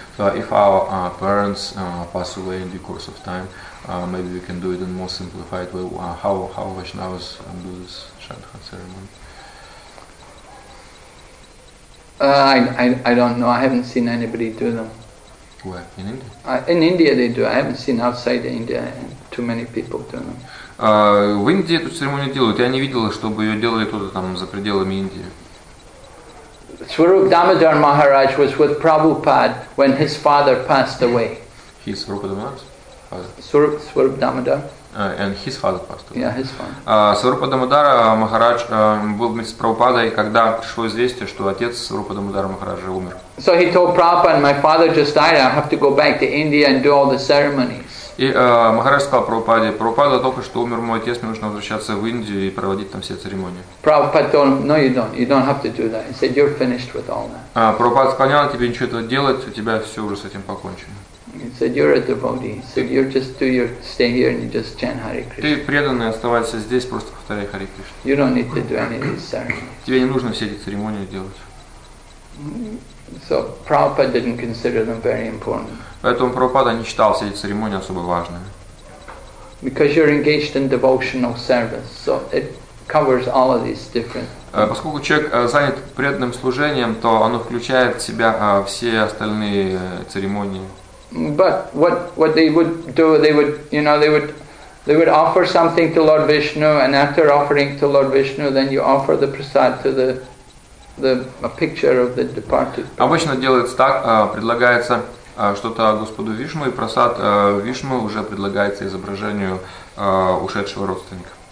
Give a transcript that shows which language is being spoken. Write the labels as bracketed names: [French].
[English] So if our parents pass away in the course of time, maybe we can do it in a more simplified way. How Vaishnavas do this Shraddha ceremony? I don't know. I haven't seen anybody do them. Where? In India? In India they do. I haven't seen outside India too many people do them. [Russian] В Индии эту церемонию делают. Я не видел, чтобы ее делали кто-то там за пределами Индии. [English] Swarup Damodar Maharaj was with Prabhupada when his father passed away. His Swarup Damodar? Swarup Damodar. And his father passed away. Yeah, his father. [Russian] Swarup Damodar Maharaj был вместе с Прабхупадой, когда пришло известие, что отец Swarup Damodar Maharaj умер. [English] So he told Prabhupada, my father just died, I have to go back to India and do all the ceremonies. [Russian] И Махарадж сказал Прабхупаде, Прабхупада только что умер мой отец, мне нужно возвращаться в Индию и проводить там все церемонии. [English] Прабхупада told him, no, you don't have to do that. He said, you're finished with all that. [Russian] Прабхупада сказал, тебе ничего этого делать, у тебя все уже с этим покончено. [English] He said, you're a devotee. He said, you just do your stay here and you just chant Hare Krishna. [Russian] Ты преданный, оставайся здесь, просто повторяй Hare Krishna. [English] You don't need to do any of these ceremonies. [Russian] Тебе не нужно все эти церемонии делать. [English] So Prabhupada didn't consider them very important. [Russian] Поэтому Прабхупада не считал все эти церемонии особо важными. [English] Because you're engaged in devotional service, so it covers all of these different. [Russian] Поскольку человек занят преданным служением, то оно включает в себя все остальные церемонии. [English] But what they would do, they would offer something to Lord Vishnu, and after offering to Lord Vishnu, then you offer the prasad to the picture of the departed. [Russian] Обычно делается так, предлагается что-то Господу Вишну, и просад Вишну уже предлагается изображению ушедшего родственника.